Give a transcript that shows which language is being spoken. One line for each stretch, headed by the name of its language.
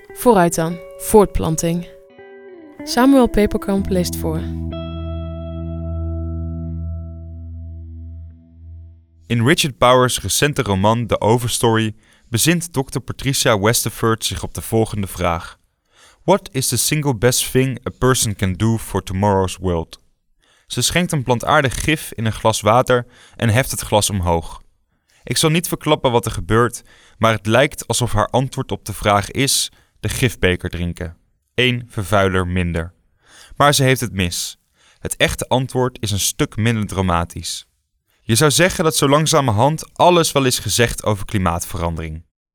Dutch: Vooruit dan, voortplanting. Samuel Peperkamp leest voor. In Richard Powers' recente roman The Overstory bezint Dr. Patricia Westerford zich op de volgende vraag.
English: What is the single best thing a person can do for tomorrow's world?
Dutch: Ze schenkt een plantaardig gif in een glas water en heft het glas omhoog. Ik zal niet verklappen wat er gebeurt, maar het lijkt alsof haar antwoord op de vraag is de gifbeker drinken. Eén vervuiler minder. Maar ze heeft het mis. Het echte antwoord is een stuk minder dramatisch. Je zou zeggen dat zo langzamerhand alles wel is gezegd over klimaatverandering.